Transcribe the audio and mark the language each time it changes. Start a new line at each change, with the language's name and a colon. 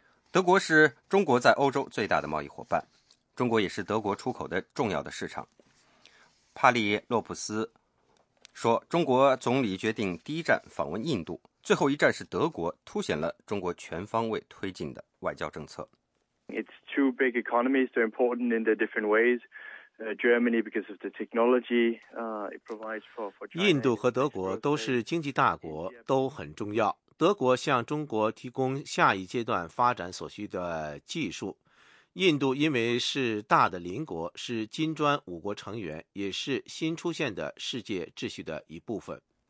Chinese: 德国是中国在欧洲最大的贸易伙伴，中国也是德国出口的重要的市场。帕利洛普斯说，中国总理决定第一站访问印度，最后一站是德国，凸显了中国全方位推进的外交政策。
English: It's two big economies, they're important in their different ways. Germany, because of the technology, it provides for China.
Chinese: 印度和德国都是经济大国，都很重要。德国向中国提供下一阶段发展所需的技术。印度因为是大的邻国，是金砖五国成员，也是新出现的世界秩序的一部分。